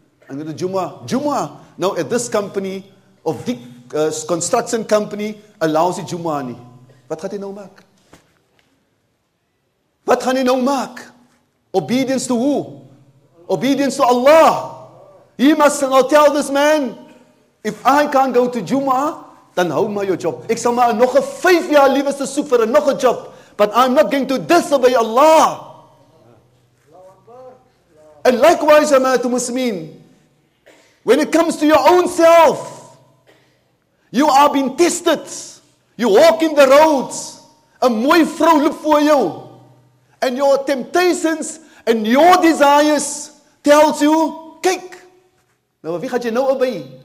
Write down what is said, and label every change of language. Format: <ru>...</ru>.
<en>I'm going to Juma. Now at this company, of the construction company, allows you Juma.</en> <af>What gaat hy nou maak?</af> <en>What</en> <af>gaan hy nou maak?</af> <en>Obedience to who? Obedience to Allah. He must now tell this man, if I can't go to Juma, then</en> <af>hou maar</af> <en>your job.</en> <af>Ek sal maar nog 5 jaar liever te soek vir nog 'n job.</af> <en>But I'm not going to disobey Allah. And likewise, Jamaatul Muslimin, when it comes to your own self, you are being tested. You walk in the roads, a</en> <af>mooi vrou loop voor jou,</af> <en>and your temptations and your desires tells you,</en> <af>kyk, nou wie gaat jy nou</af> <en>obey?</en>